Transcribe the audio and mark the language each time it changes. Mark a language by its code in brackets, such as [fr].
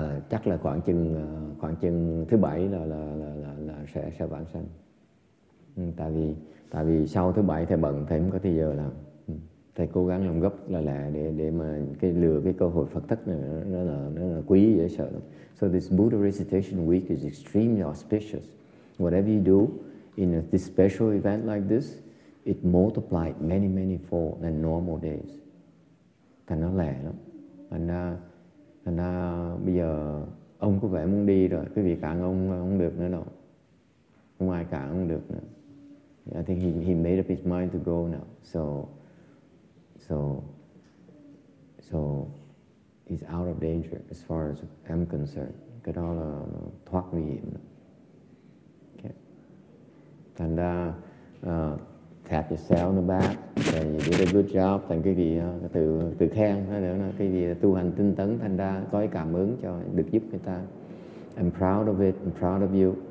[vi] Chắc là khoảng chừng thứ bảy là sẽ vãng sanh. Tại vì sau thứ bảy thầy bận, thầy không có thời giờ làm. Thầy cố gắng làm gấp là lẹ để mà cái lừa cái cơ hội Phật thất này nó là quý dễ sợ lắm. [en] So this Buddha recitation week is extremely auspicious. Whatever you do in this special event like this, it multiplied many, many fold than normal days. [vi] Thành nó lẹ lắm. Thành ra bây giờ ông có vẻ muốn đi rồi, quý vị cản ông không được nữa đâu. Không ai cản ông được nữa. [en] I think he made up his mind to go now. So he's out of danger as far as I'm concerned. [vi] Cái đó là thoát nguy hiểm. Okay. Thành ra [en] tap yourself on the back. [vi] Thầy [en] you did a good job. [vi] Thành cái gì từ khen. Cái gì tu hành tinh tấn. Thành ra có cái cảm ứng cho được giúp người ta. [en] I'm proud of it. I'm proud of you.